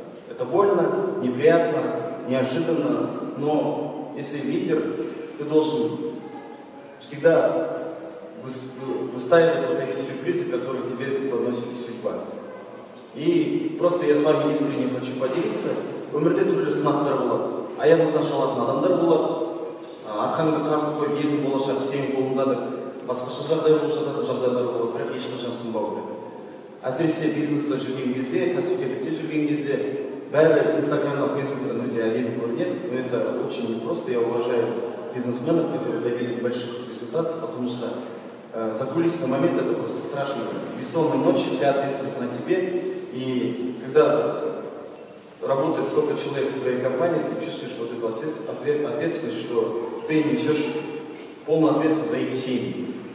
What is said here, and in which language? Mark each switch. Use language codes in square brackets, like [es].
[ru] Это больно, неприятно, неожиданно, но если лидер, ты должен всегда выставить вот эти сюрпризы, которые тебе подносит судьба. И просто я с вами искренне хочу поделиться. [kk] Өмірде түрлі сынақтар болады. Аяғыңызда шалатын адамдар болады. Арқаңызға қарқыт қойып, елдің болашағы сенің қолыңда деп, басқаша жағдай болып жататын жағдайлар болады, бірақ ешқашан сынбау керек. Әсіресе бизнесте жүрген кезде, кәсіпкерлікте жүрген кезде, бәрі Инстаграмда, Фейсбукта өте әдемі көрінеді. [ru] Это очень непросто. Я уважаю бизнесменов, которые добились больших результатов, потому что за кулисный момент это просто страшно. Бессонные ночи, вся ответственность на тебе. И когда работает столько человек в твоей компании, ты чувствуешь вот эту ответственность, что ты несешь полную ответственность за их семьи.